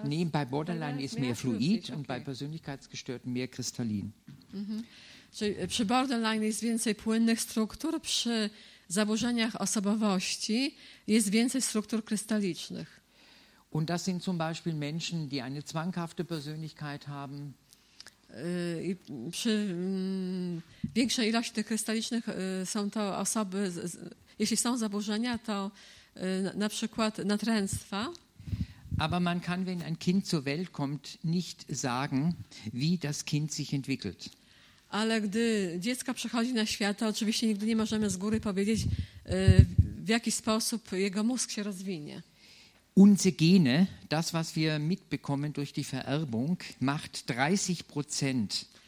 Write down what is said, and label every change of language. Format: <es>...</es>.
<de>Bei Borderline ist mehr fluid und bei Persönlichkeitsgestörten mehr kristallin.</de> <pl>Przy Borderline jest więcej płynnych struktur, przy zaburzeniach osobowości jest więcej struktur krystalicznych.</pl> <de>Und das sind zum Beispiel Menschen, die eine zwanghafte Persönlichkeit haben.</de> <pl>Przy większej ilości tych krystalicznych są to osoby, jeśli są zaburzenia, to na przykład natręctwa.</pl> <de>Aber man kann, wenn ein Kind zur Welt kommt, nicht sagen, wie das Kind sich entwickelt.</de> <pl>Ale gdy dziecko przychodzi na świat, to oczywiście nigdy nie możemy z góry powiedzieć, w jaki sposób jego mózg się rozwinie.</pl> <de>Unsere Gene, das was wir mitbekommen durch die Vererbung, macht 30%</de>